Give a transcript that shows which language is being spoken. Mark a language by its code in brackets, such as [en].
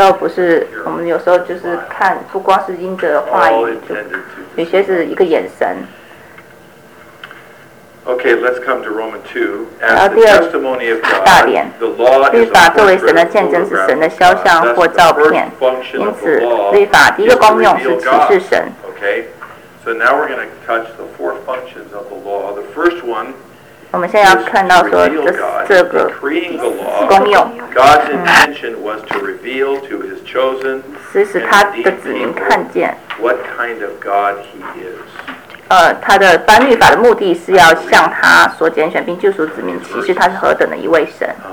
[zh] 候不是，我们有时候就是看，不光是因着话语，有些是一个眼神。 [en] Okay, let's come to Romans 2. As the testimony of God, the law is [zh] 律法作为神的见证是神的肖像或照片，因此律法第一个功用是启示神。 [en] Okay, so now we're going to touch the four functions of the law. The first one. [zh] 我们现在要看到说这个功用 [en] God's intention was to reveal to his chosen [zh] 是使他的子民看见 [en] what kind of God he is [zh] 他的颁律法的目的是要向他所拣选并救赎子民其实他是何等的一位神